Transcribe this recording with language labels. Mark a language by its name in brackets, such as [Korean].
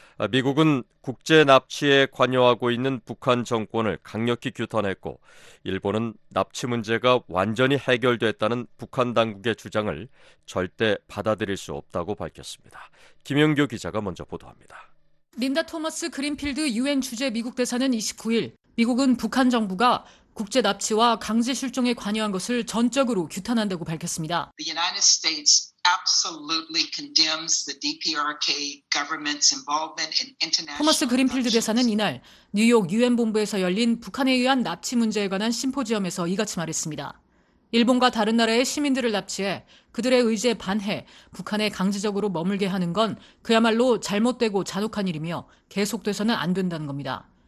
[Korean] 미국은 국제 납치에 관여하고 있는 북한 정권을 강력히 규탄했고 일본은 납치 문제가 완전히 해결됐다는 북한 당국의 주장을 절대 받아들일 수 없다고 밝혔습니다. 김영규 기자가 먼저 보도합니다. 린다 토머스 그린필드 유엔 주재 미국 대사는 29일 미국은 북한 정부가 국제 납치와 강제 실종에 관여한 것을 전적으로 규탄한다고 밝혔습니다. [English] The United States absolutely condemns the DPRK government's involvement in international. [Korean] 토마스 그린필드 대사는 이날 뉴욕 유엔 본부에서 열린 북한에 의한 납치 문제에 관한 심포지엄에서 이같이 말했습니다. 일본과 다른 나라의 시민들을 납치해 그들의 의지에 반해 북한에 강제적으로 머물게 하는 건 그야말로 잘못되고 잔혹한 일이며 계속돼서는 안 된다는 겁니다.